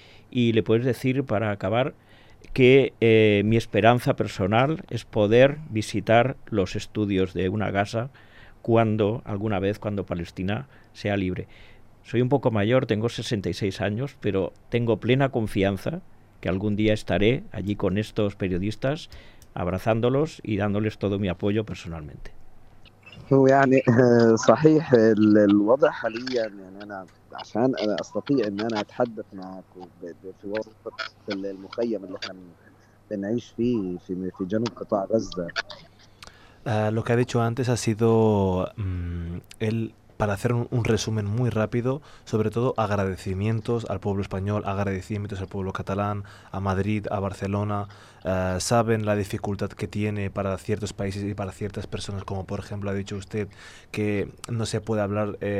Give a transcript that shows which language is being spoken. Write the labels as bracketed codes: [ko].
[es] Y le puedes decir, para acabar, que mi esperanza personal es poder visitar los estudios de una Gaza cuando, alguna vez, cuando Palestina sea libre. Soy un poco mayor, tengo 66 años, pero tengo plena confianza que algún día estaré allí con estos periodistas, abrazándolos y dándoles todo mi apoyo personalmente. [ar] ويعني صحيح الوضع حاليا، يعني انا عشان انا استطيع ان انا اتحدث معك في وسط المخيم اللي احنا بنعيش فيه في جنوب قطاع غزة. [es] Lo que ha dicho antes ha sido el. Para hacer un resumen muy rápido, sobre todo agradecimientos al pueblo español, agradecimientos al pueblo catalán, a Madrid, a Barcelona. Saben la dificultad que tiene para ciertos países y para ciertas personas, como por ejemplo ha dicho usted, que no se puede hablar